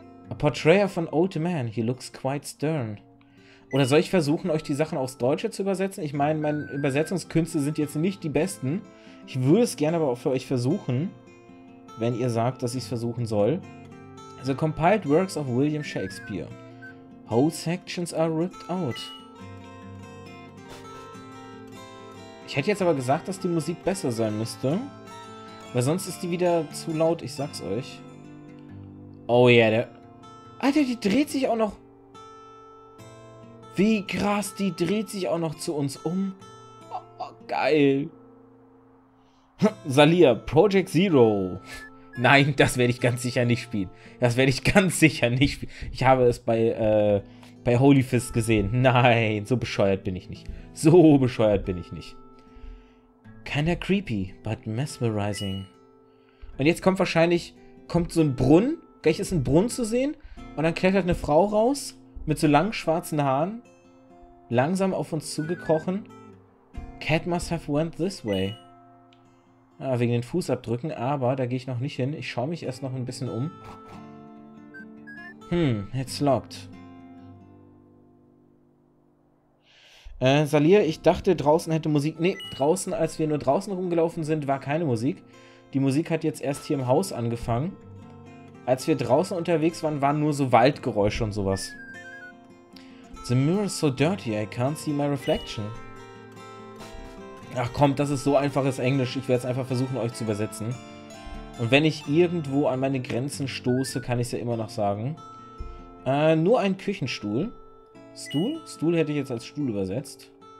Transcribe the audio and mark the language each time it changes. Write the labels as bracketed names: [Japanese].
[German] A portrayer von Old Man. [English] He looks quite stern. [German] Oder soll ich versuchen, euch die Sachen aufs Deutsche zu übersetzen? Ich meine, meine Übersetzungskünste sind jetzt nicht die besten. Ich würde es gerne aber auch für euch versuchen, wenn ihr sagt, dass ich es versuchen soll. [English] The compiled works of William Shakespeare. Whole sections are ripped out. [German] Ich hätte jetzt aber gesagt, dass die Musik besser sein müsste. Weil sonst ist die wieder zu laut, ich sag's euch. Oh ja, yeah, der. Alter, die dreht sich auch noch. Wie krass, die dreht sich auch noch zu uns um. Oh, geil. Salia, Project Zero. Nein, das werde ich ganz sicher nicht spielen. Das werde ich ganz sicher nicht spielen. Ich habe es bei Holy Fist gesehen. Nein, so bescheuert bin ich nicht. So bescheuert bin ich nicht. [English] Kinda creepy, but mesmerizing. [German] Und jetzt kommt wahrscheinlich, kommt so ein Brunnen. Gleich ist ein Brunnen zu sehen. Und dann klettert eine Frau raus mit so langen schwarzen Haaren, langsam auf uns zugekrochen. [English] Cat must have went this way. [German] Ah, wegen den Fußabdrücken, aber da gehe ich noch nicht hin. Ich schaue mich erst noch ein bisschen um. [English] It's locked. [German] Salir, ich dachte, draußen hätte Musik. Nee, draußen, als wir nur draußen rumgelaufen sind, war keine Musik. Die Musik hat jetzt erst hier im Haus angefangen. Als wir draußen unterwegs waren, waren nur so Waldgeräusche und sowas. [English] The mirror is so dirty, I can't see my reflection. [German] Ach komm, das ist so einfaches Englisch. Ich werde es einfach versuchen, euch zu übersetzen. Und wenn ich irgendwo an meine Grenzen stoße, kann ich es ja immer noch sagen. Nur ein Küchenstuhl. Stuhl? Stuhl hätte ich jetzt als Stuhl übersetzt.